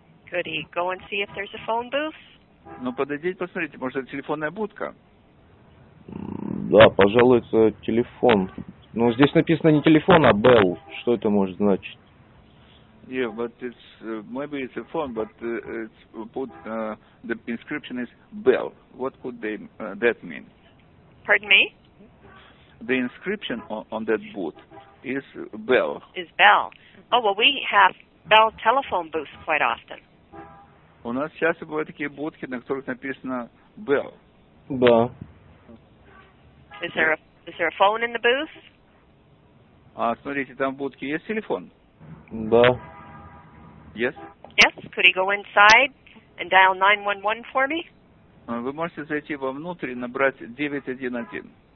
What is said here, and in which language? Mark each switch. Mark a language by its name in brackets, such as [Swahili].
[English] Could he go and see if there's a phone booth? [Russian] Ну, подойдите, посмотрите, может, это телефонная будка? Да, пожалуй, это телефон. Но здесь написано не телефон, а Bell. Что это может значить? [English] Yeah, but it's, maybe it's a phone, but it's put, the inscription is Bell. What could they, that mean? Pardon me? The inscription on that boot is Bell. Is Bell. Oh, well, we have Bell telephone booths quite often. [Russian] У нас часто бывают такие будки, на которых написано Bell. Да. [English] Is there a phone in the booth? [Russian] А, смотрите, там в будке есть телефон? Да. [English] Yes? Yes. Could he go inside and dial 911 for me? [Russian] Вы можете зайти вовнутрь и набрать 911.